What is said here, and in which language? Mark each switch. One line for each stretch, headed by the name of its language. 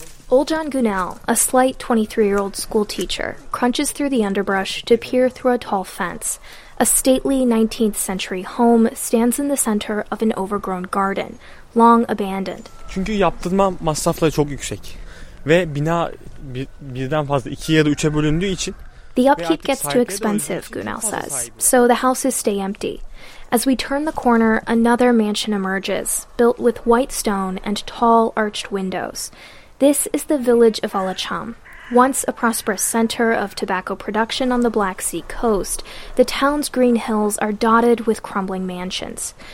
English: Olcan Gunel, a slight 23-year-old school teacher, crunches through the underbrush to peer through a tall fence. A stately 19th century home stands in the center of an overgrown garden, long abandoned.
Turkish: Çünkü yaptırma masrafları çok yüksek ve bina birden fazla ikiye ya da üçe bölündüğü için.
English: The upkeep gets too expensive, Gunel says, so the houses stay empty. As we turn the corner, another mansion emerges, built with white stone and tall arched windows. This is the village of Alacham. Once a prosperous center of tobacco production on the Black Sea coast, the town's green hills are dotted with crumbling mansions.